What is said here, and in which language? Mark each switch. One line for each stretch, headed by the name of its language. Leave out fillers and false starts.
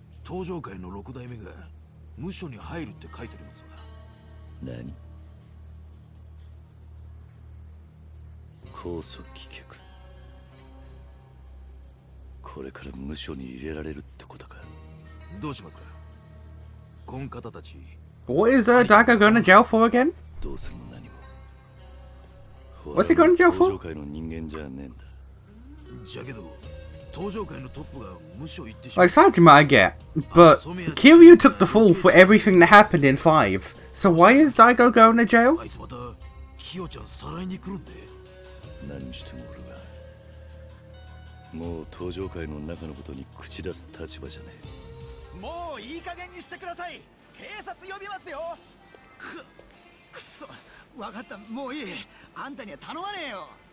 Japanese: 東条会の六代目が無所に入るって書いてありますわ。何？拘束棄却。これから無所に入れられるってことか。どうしますか？こん方たち。
English: What is a dagger going to jail for again?
Japanese: どうするも何も。
English: What's he going to jail for?
Japanese: 東条会の人間じゃねえんだ。じゃけど、東条会のトップが無所行ってしまう。
English: Like Sajima, I get, but Kiryu took the fall for everything that happened in 5. So why is Daigo going to jail?
Japanese: あいつまたキヨちゃんさらいに来るんで。何しても俺は、もう東条会の中のことに口出す立場じゃねえ。もういい加減にしてください。警察呼びますよ。くそ、わかった、もういい。あんたには頼まねえよ。